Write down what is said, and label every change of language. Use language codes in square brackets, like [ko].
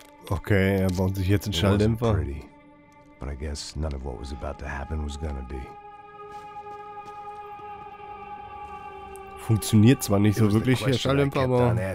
[de] Okay, er baut sich jetzt einen Schalldämpfer. [en] But I guess none of what was about to happen was gonna be. [de] Funktioniert zwar nicht so wirklich hier Schalldämpfer, aber